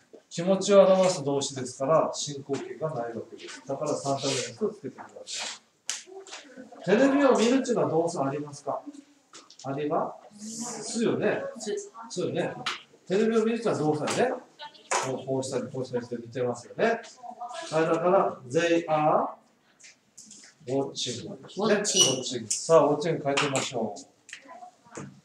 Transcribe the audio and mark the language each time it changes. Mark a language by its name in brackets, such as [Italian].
[Japanese] 気持ちを表す動詞ですから進行形がないわけです。だから3択目をつけてください。テレビを見るっていうのは動作ありますか？あります？すよね。すよね。テレビを見るっていうのは動作よね。こうしたりこうしたりして見てますよね。はい、だから、 [English] they are watching. watching. watching. [Japanese] さあ、watching 変えてみましょう。